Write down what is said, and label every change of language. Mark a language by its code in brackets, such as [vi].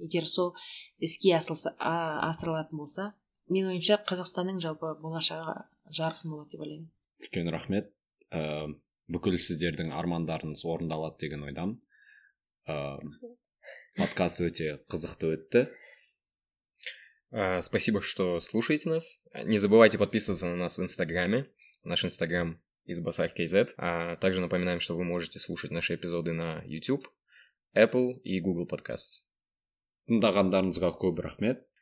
[kk] Егер сол іске асырылатын болса, менің ойымша Қазақстанның жалпы болашағы жарқын болады деп ойлаймын. Үлкен рахмет. Бүкіл сіздердің армандарыңыз орындалады деген ойдамын. Подкаст өте қызықты өтті. [ru] Спасибо, что слушаете нас. Не забывайте подписываться на нас в Инстаграме. Наш Инстаграм isbasar.kz. А также напоминаем, что вы можете слушать наши эпизоды на YouTube, Apple и Google Podcasts. [kk] Тыңдағандарыңызға көп рахмет.